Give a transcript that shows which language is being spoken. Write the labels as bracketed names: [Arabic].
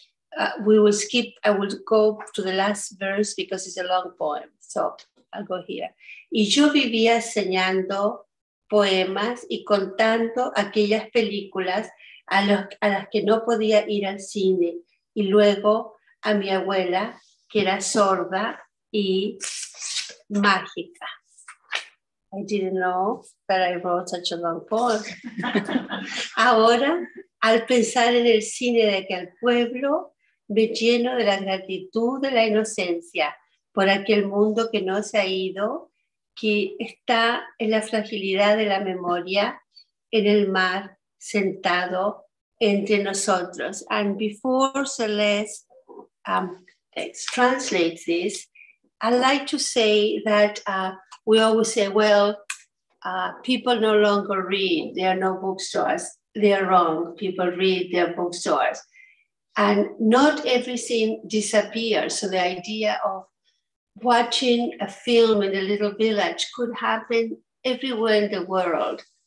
[English] I will go to the last verse because it's a long poem. So I'll go here. [Spanish] Y yo vivía soñando poemas y contando aquellas películas a las que no podía ir al cine, y luego a mi abuela, que era sorda y mágica. [English] I didn't know that I wrote such a long poem. [Spanish] Ahora, al pensar en el cine de aquel pueblo, me lleno de la gratitud de la inocencia por aquel mundo que no se ha ido, que está en la fragilidad de la memoria, en el mar, sentado entre nosotros. [English] And before Celeste translates this, I'd like to say that we always say, well, people no longer read, there are no bookstores. They are wrong, people read their bookstores. And not everything disappears, so the idea of watching a film in a little village could happen everywhere in the world.